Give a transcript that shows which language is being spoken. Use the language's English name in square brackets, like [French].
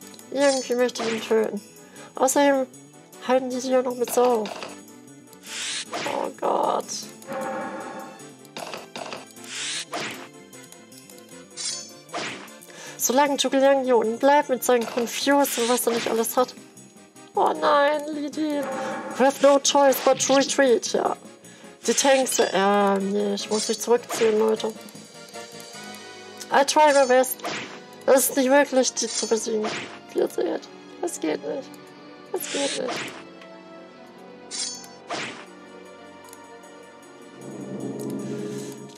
[German] Irgendwie möchte ich ihn töten. Außerdem halten die ja noch mit Sau. Oh Gott. Solange Jugel Yang hier unten bleibt mit seinen Confused und was er nicht alles hat. Oh nein, Lidin. [English] We have no choice but to retreat, ja. [German] Die Tanks, nee, ich muss mich zurückziehen, Leute. [English] I try my best. [German] Es ist nicht möglich, die zu besiegen, wie ihr seht. Es geht nicht. Es geht nicht.